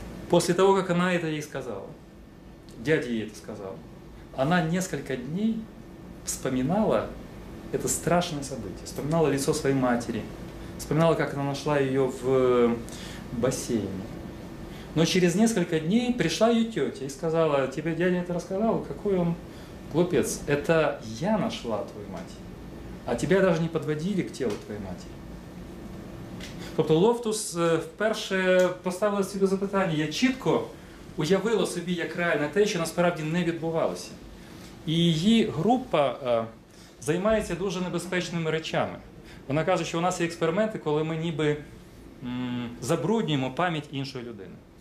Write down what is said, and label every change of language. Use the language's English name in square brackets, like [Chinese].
[Ukrainian] Після того, як вона це їй сказала, дядя їй це сказав, вона кілька днів [Russian] вспоминала [Ukrainian] це страшне [Russian] событие. Вспоминала лицо [Ukrainian] своєї матері, [Russian] вспоминала, [Ukrainian] як вона знайшла її в басейні. [Russian] Но через несколько дней пришла ее тетя и сказала, тебе дядя это рассказал, какой он глупец. Это я нашла твою мать, а тебя даже не подводили к телу твоей матери. [Ukrainian] Тобто Лофтус вперше поставила собі запитання, я чітко уявила собі як реально те, що насправді не відбувалося. І її група займається дуже небезпечними речами. Вона каже, що у нас є експерименти, коли ми ніби забруднюємо пам'ять іншої людини.